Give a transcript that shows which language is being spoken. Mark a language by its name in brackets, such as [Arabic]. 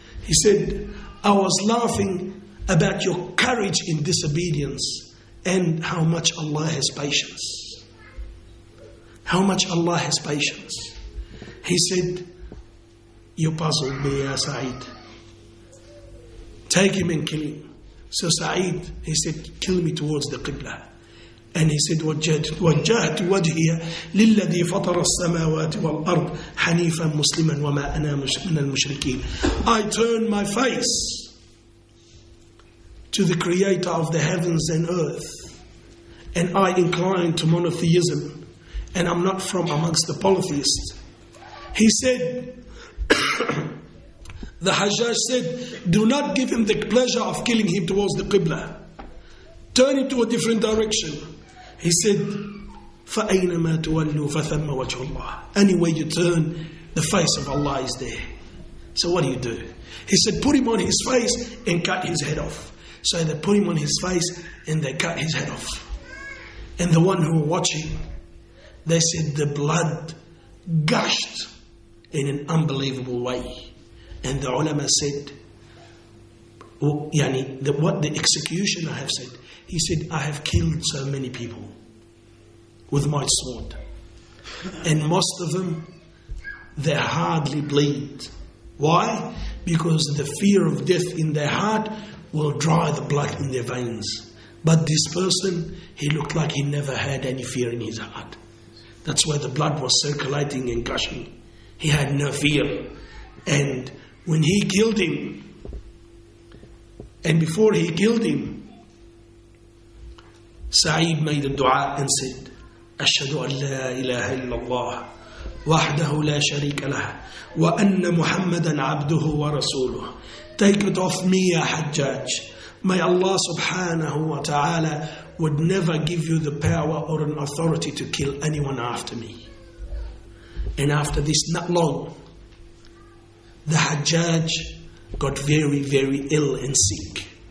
[English] He said, I was laughing about your courage in disobedience and how much Allah has patience. How much Allah has patience. He said, you puzzled me, Ya Sa'id. Take him and kill him. So Sa'id, he said, kill me towards the Qibla. And he said, [Arabic] وجهت وجهي للذي فطر السماوات والأرض حنيفا مسلما وما أنا من المشركين. [English] I turned my face to the creator of the heavens and earth, and I incline to monotheism, and I'm not from amongst the polytheists. He said, the Hajjaj said, do not give him the pleasure of killing him towards the Qibla. Turn it to a different direction. He said, [Arabic] فَأَيْنَمَا تُوَلُّوا فَثَمَّ وَجْهُ اللَّهِ. [English] Anyway you turn, the face of Allah is there. So what do? He said, put him on his face and cut his head off. So they put him on his face and they cut his head off. And the one who were watching, they said the blood gushed in an unbelievable way. And the ulama said, what the executioner have said. He said, I have killed so many people with my sword. And most of them, they hardly bleed. Why? Because the fear of death in their heart will dry the blood in their veins. But this person, he looked like he never had any fear in his heart. That's why the blood was circulating and gushing. He had no fear. And when he killed him, and before he killed him, Sa'id made a dua and said, [Arabic] Ashhadu an la ilaha illallah وحده لا شريك له وأن محمدا عبده ورسوله. [English] Take it off me, ya Hajjaj. May Allah subhanahu wa ta'ala would never give you the power or an authority to kill anyone after me. And after this, not long, the Hajjaj got very, very ill and sick.